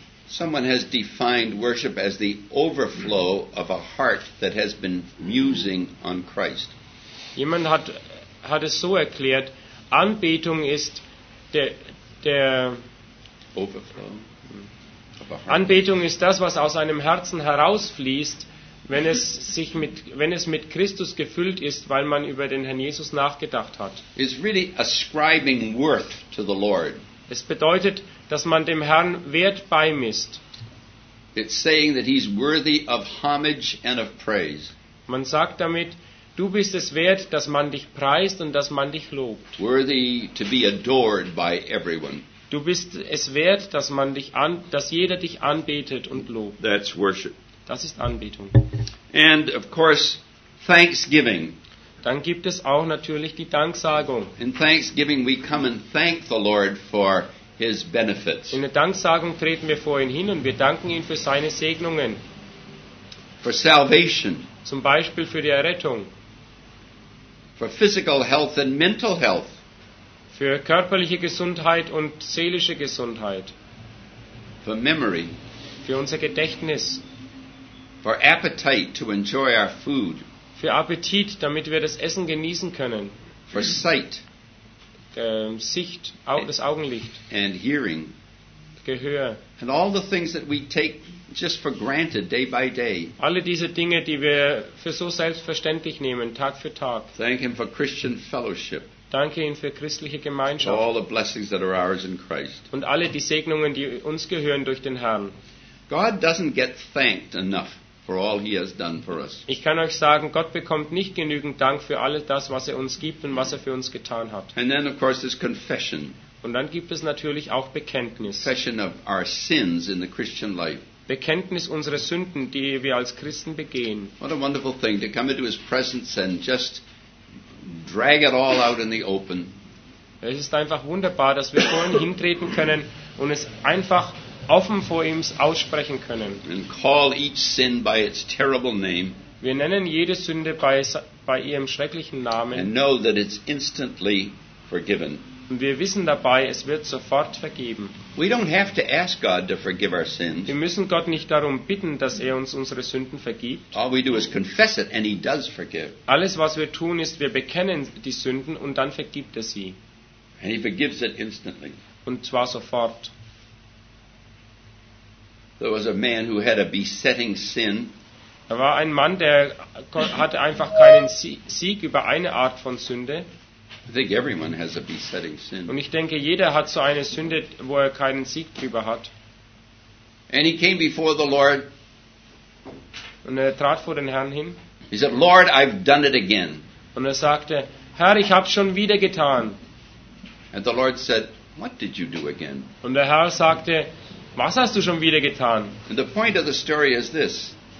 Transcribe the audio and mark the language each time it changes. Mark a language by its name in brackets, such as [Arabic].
[English] Someone has defined worship as the overflow of a heart that has been musing on Christ. [German] Jemand hat es so erklärt, Anbetung ist der [English] Overflow. [German] Anbetung ist das, was aus einem Herzen herausfließt, wenn es mit Christus gefüllt ist, weil man über den Herrn Jesus nachgedacht hat. [English] It's really ascribing worth to the Lord. [German] Es bedeutet, dass man dem Herrn Wert beimisst. [English] It's saying that he's worthy of homage and of praise. [German] Man sagt damit, du bist es wert, dass man dich preist und dass man dich lobt. [English] Worthy to be adored by everyone. [German] Du bist es wert, dass man dich dass jeder dich anbetet und lobt. [English] That's worship. [German] Das ist Anbetung. [English] And of course, thanksgiving. [German] Dann gibt es auch natürlich die Danksagung. [English] In thanksgiving we come and thank the Lord for his benefits. [German] In der Danksagung treten wir vor ihn hin und wir danken ihm für seine Segnungen. [English] For salvation. [German] Zum Beispiel für die Errettung. [English] For physical health and mental health. [German] Für körperliche Gesundheit und seelische Gesundheit. [English] For memory. [German] Für unser Gedächtnis. [English] For appetite to enjoy our food. [German] Für Appetit, damit wir das Essen genießen können. [English] For sight. [German] Sicht, das Augenlicht. [English] And hearing. [German] Gehör. [English] And all the things that we take just for granted day by day. [German] Alle diese Dinge, die wir für so selbstverständlich nehmen, Tag für Tag. [English] Thank him for Christian fellowship. [German] Danke ihm für christliche Gemeinschaft. [English] All the blessings that are ours in Christ. [German] Und alle die Segnungen, die uns gehören durch den Herrn. [English] God doesn't get thanked enough for all he has done for us. [German] Ich kann euch sagen, Gott bekommt nicht genügend Dank für alles das, was er uns gibt und was er für uns getan hat. [English] And then of course there's confession. [German] Und dann gibt es natürlich auch Bekenntnis. [English] Confession of our sins in the Christian life. [German] Bekenntnis unserer Sünden, die wir als Christen begehen. [English] What a wonderful thing to come into his presence and just drag it all out in the open. [German] Es ist einfach wunderbar, dass wir vor ihm hintreten können und es einfach offen vor ihm aussprechen können. [English] And call each sin by its terrible name. [German] Wir nennen jede Sünde bei ihrem schrecklichen Namen. [English] And know that it's instantly forgiven. [German] Und wir wissen dabei, es wird sofort vergeben. [English] We don't have to ask God to forgive our sins. [German] Wir müssen Gott nicht darum bitten, dass er uns unsere Sünden vergibt. [English] All we do is confess it and he does forgive. [German] Alles, was wir tun, ist, wir bekennen die Sünden und dann vergibt er sie. [English] And he forgives it instantly. [German] Und zwar sofort. [English] There was a man who had a besetting sin. [German] Da war ein Mann, der hatte einfach keinen Sieg über eine Art von Sünde. [English] I think everyone has a besetting sin. [German] Und ich denke, jeder hat so eine Sünde, wo er keinen Sieg drüber hat. [English] And he came before the Lord. [German] Und er trat vor den Herrn hin. [English] He said, Lord, I've done it again. [German] Und er sagte, Herr, ich habe schon wieder getan. [English] And the Lord said, what did you do again? [German] Und der Herr sagte, was hast du schon wieder getan? [English] And the point of the story is this.